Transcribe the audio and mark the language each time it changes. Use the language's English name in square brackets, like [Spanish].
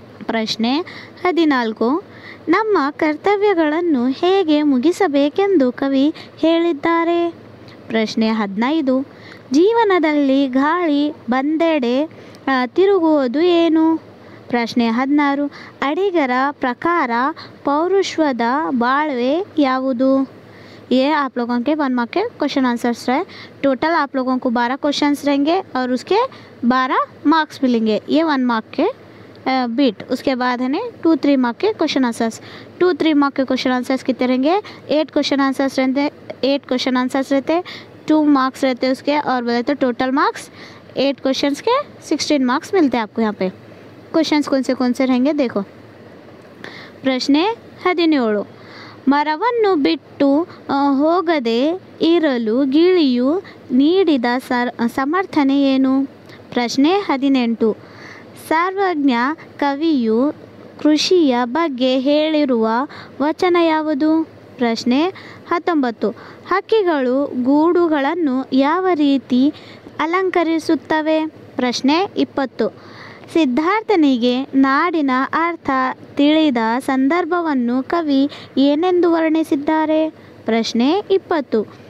[Kannada] ಪ್ರಶ್ನೆ 14 ನಮ್ಮ ಕರ್ತವ್ಯಗಳನ್ನು ಹೇಗೆ ಮುಗಿಸಬೇಕೆಂದು ಕವಿ ಹೇಳಿದ್ದಾರೆ ಪ್ರಶ್ನೆ 15 ಜೀವನದಲ್ಲಿ ಗಾಳಿ ಬಂದೆಡೆ ತಿರುಗುವುದು ಏನು ಪ್ರಶ್ನೆ 16 ಅಡಿಗರ ಪ್ರಕಾರ ಪೌರುಷದ ಬಾಳ್ವೆ ಯಾವುದು [Hindi] ये आप लोगों के 1 mark के क्वेश्चन आंसर्स रहे। टोटल आप लोगों को 12 questions रहेंगे और उसके 12 marks मिलेंगे। ये 1 mark के बीट, उसके बाद है ना 2-3 mark के क्वेश्चन आंसर्स। 2-3 mark के क्वेश्चन आंसर्स कितने रहेंगे? 8 questions रहते, 8 questions रहते, 2 marks रहते उसके, और बोले तो टोटल मार्क्स 8 questions के 16 marks मिलते हैं आपको यहाँ पे। क्वेश्चन कौन से रहेंगे देखो। [Kannada] प्रश्न 17 ಮರವನ್ನು ಬಿಟ್ಟು ಹೋಗದೆ ಇರಲು ಗಿಳಿಯು ನೀಡಿದ ಸಮರ್ಥನೆ ಏನು ಪ್ರಶ್ನೆ 18 ಸರ್ವಜ್ಞ ಕವಿಯು ಕೃಷಿಯ ಬಗ್ಗೆ ಹೇಳಿರುವ ವಚನ ಯಾವುದು ಪ್ರಶ್ನೆ 19 ಹಕ್ಕಿಗಳು ಗೂಡುಗಳನ್ನು ಯಾವ ರೀತಿ ಅಲಂಕರಿಸುತ್ತವೆ ಪ್ರಶ್ನೆ 20 ಸಿದ್ಧಾರ್ಥನಿಗೆ ನಾಡಿನ ಅರ್ಥ ತಿಳಿದ ಸಂದರ್ಭವನ್ನು ಕವಿ ಏನೆಂದು ವರ್ಣಿಸಿದ್ದಾರೆ ಪ್ರಶ್ನೆ 20